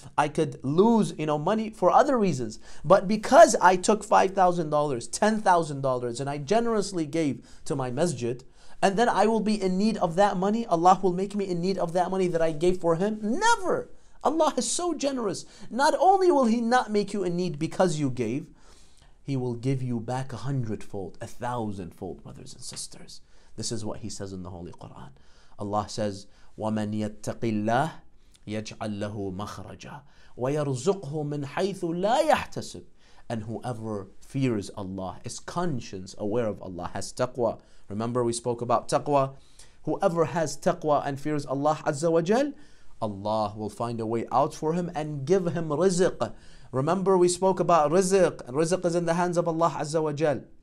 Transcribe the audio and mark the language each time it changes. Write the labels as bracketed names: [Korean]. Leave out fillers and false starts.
[English] I could lose, you know, money for other reasons. But because I took $5,000, $10,000, and I generously gave to my masjid, and then I will be in need of that money. Allah will make me in need of that money that I gave for Him. Never. Allah is so generous. Not only will He not make you in need because you gave, He will give you back 100-fold, 1,000-fold, brothers and sisters. This is what He says in the Holy Quran. Allah says, [Arabic] وَمَنْ يَتَّقِ اللَّهِ يَجْعَلْ لَهُ مَخْرَجًا وَيَرْزُقْهُ مِنْ حَيْثُ لَا يَحْتَسِبْ. [English] And whoever fears Allah, is conscience aware of Allah, has taqwa. Remember, we spoke about taqwa. Whoever has taqwa and fears Allah Azza wa Jal, Allah will find a way out for him and give him rizq. Remember, we spoke about rizq. Rizq is in the hands of Allah Azza wa Jal.